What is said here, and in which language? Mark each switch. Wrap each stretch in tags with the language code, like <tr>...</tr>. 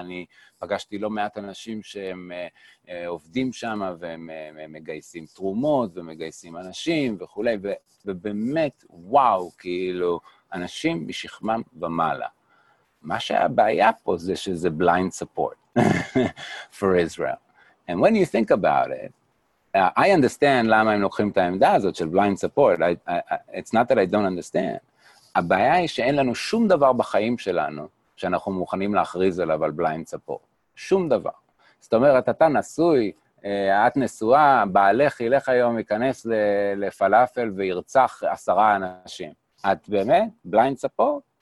<he>אני פגשתי לא מעט אנשים שהם עובדים שם, והם מגייסים תרומות ומגייסים אנשים וכולי, ובאמת וואו, כאילו אנשים משכמם ומעלה. מה שהבעיה פה זה שזה blind support.</he> <en>for Israel. And when you think about it, I understand</en> <he>למה הם לוקחים את העמדה הזאת של</he> <en>blind support. It's not that I don't understand.</en> <he>הבעיה היא שאין לנו שום דבר בחיים שלנו שאנחנו מוכנים להכריז עליו על blind support. שום דבר. זאת אומרת, אתה נשוי, את נשואה, בעלך ילך היום, ייכנס לפלאפל וירצח 10 אנשים. את באמת? blind support?</he>